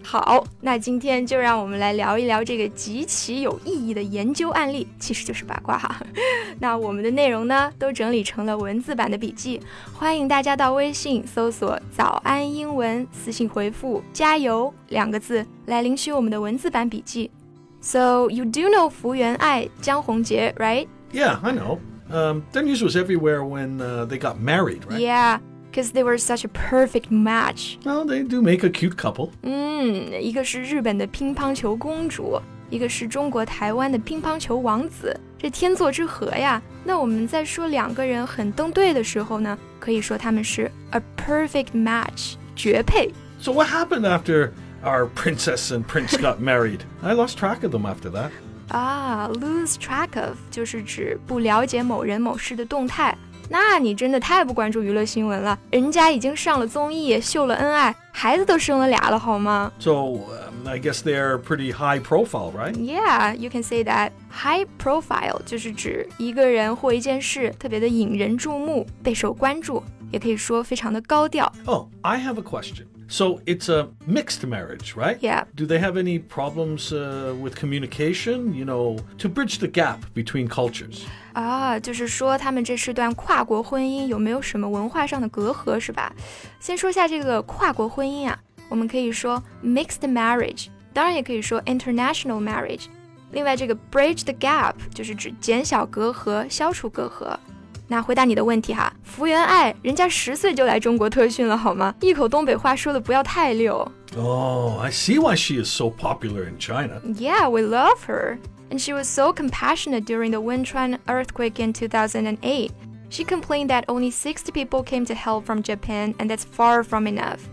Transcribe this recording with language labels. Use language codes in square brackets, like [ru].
[zh] 好，那今天就让我们来聊一聊这个极其有意义的研究案例，其实就是八卦哈。那我们的内容呢都整理成了文字版的笔记，欢迎大家到微信搜索早安英文，私信回复加油两个字来领取我们的文字版笔记。 [en] So, you do know 福原爱、江宏杰, right? Yeah, I know. Their news was everywhere when they got married, right? Yeah, because they were such a perfect match. Well, they do make a cute couple. [zh] 一个是日本的乒乓球公主，一个是中国台湾的乒乓球王子，这天作之合呀。那我们在说两个人很登对的时候呢，可以说他们是 a perfect match, 绝配。 [en] So what happened after... Our princess and prince got married. I lost track of them after that. [zh] Lose track of 就是指不了解某人某事的动态。那你真的太不关注娱乐新闻了。人家已经上了综艺，秀了恩爱，孩子都生了俩了，好吗？ [en] So, I guess they're pretty high profile, right? Yeah, you can say that. [zh] High profile 就是指一个人或一件事特别的引人注目，备受关注，也可以说非常的高调。 [en] Oh, I have a question. So it's a mixed marriage, right? Yeah. Do they have any problems with communication, you know, to bridge the gap between cultures? [zh] 就是说他们这是段跨国婚姻有没有什么文化上的隔阂是吧？先说一下这个跨国婚姻啊，我们可以说 mixed marriage, 当然也可以说 international marriage. 另外这个 bridge the gap 就是指减小隔阂，消除隔阂。那回答你的问题哈，福原爱人家十岁就来中国特训了好吗？一口东北话说的不要太溜。 [en] I see why she is so popular in China. Yeah, we love her. And she was so compassionate during the Wenchuan earthquake in 2008. She complained that only 60 people came to help from Japan, and that's far from enough.